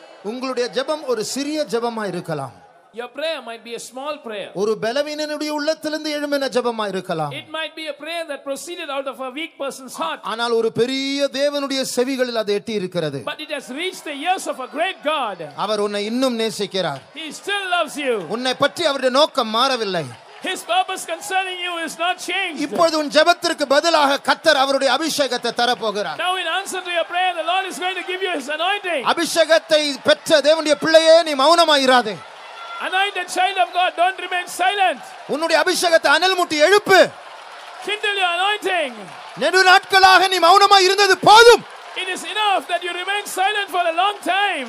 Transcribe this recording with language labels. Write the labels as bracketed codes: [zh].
[ta] உங்களுடைய ஜெபம் ஒரு சிறிய ஜெபமாய் இருக்கலாம். [en] Your prayer might be a small prayer. [ta] ஒரு பலவீனனுடைய உள்ளத்திலிருந்து எழும்பின ஜெபமாய் இருக்கலாம். [en] It might be a prayer that proceeded out of a weak person's heart. [ta] ஆனால் ஒரு பெரிய தேவனுடைய செவிகளில் அது எட்டி இருக்கிறது. [en] But it has reached the ears of a great God. [ta] அவர் உன்னை இன்னும் நேசிக்கிறார். [en] He still loves you. [ta] உன்னை பற்றி அவருடைய நோக்கம் மாறவில்லை. [en] His purpose concerning you is not changed. [ta] இப்பொழுது உன் ஜெபத்திற்கு பதிலாக கர்த்தர் அவருடைய அபிஷேகத்தை தர போகிறார். [en] Now in answer to your prayer, the Lord is going to give you his anointing. [ta] அபிஷேகத்தை பெற்ற தேவனுடைய பிள்ளையே, நீ மௌனமாய் இராதே. [en] Anointed child of God, don't remain silent. [ta] உன்னுடைய அபிஷேகத்தை அனல் முட்டி எழுப்பு. [en] Kindle your anointing. [ta] நெடு நாட்களாக நீ மௌனமாய் இருந்தது போதும். [en] It is enough that you remain silent for a long time.